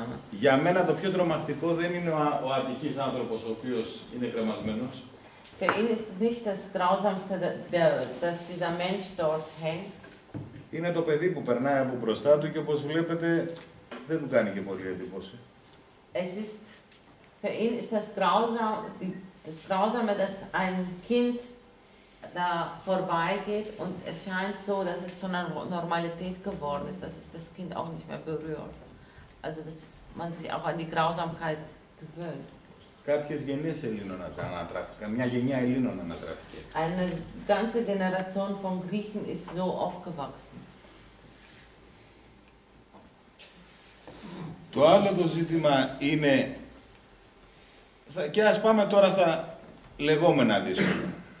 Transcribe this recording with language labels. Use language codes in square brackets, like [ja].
[el] Για μένα το πιο τρομακτικό δεν είναι ο ατυχής άνθρωπος ο οποίος είναι κρεμασμένος. [de] Für ihn ist nicht das Grausamste, dass dieser Mensch dort hängt. [el] Είναι το παιδί που περνάει από μπροστά του και όπως βλέπετε δεν του κάνει και πολύ εντύπωση. [de] Es ist für ihn ist das Grausamste, das Grausame, dass ein Kind da vorbeigeht und es scheint so, dass es zu einer Normalität geworden ist, dass es das Kind auch nicht mehr berührt. Also dass man sich auch an die Grausamkeit gewöhnt. [el] Κάποιες γενιές Ελλήνων ανατράφηκαν. Μια γενιά Ελλήνων ανατράφηκε έτσι. [de] Eine ganze Generation von Griechen ist so aufgewachsen. [el] Το άλλο το ζήτημα είναι, και ας πάμε τώρα στα λεγόμενα δύσκολα.